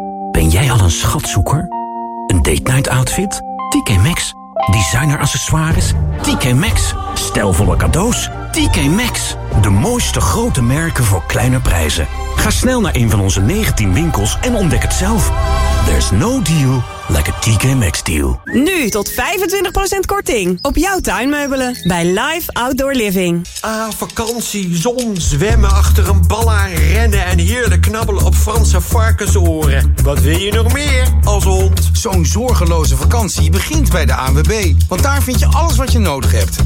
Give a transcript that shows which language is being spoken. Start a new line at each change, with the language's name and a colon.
Dutch: Ben jij al een schatzoeker? Een date night outfit? TK Maxx. Designer accessoires? TK Maxx. Stijlvolle cadeaus? TK Maxx. De mooiste grote merken voor kleine prijzen. Ga snel naar een van onze 19 winkels en ontdek het zelf.
English: There's no deal like a TK Maxx deal.
Dutch: Nu tot 25% korting op jouw tuinmeubelen bij Life Outdoor Living. Ah, vakantie, zon, zwemmen achter een bal aan, rennen en heerlijk knabbelen op Franse varkensoren. Wat wil je nog meer als hond? Zo'n zorgeloze vakantie begint bij de ANWB. Want daar vind je alles wat je nodig hebt.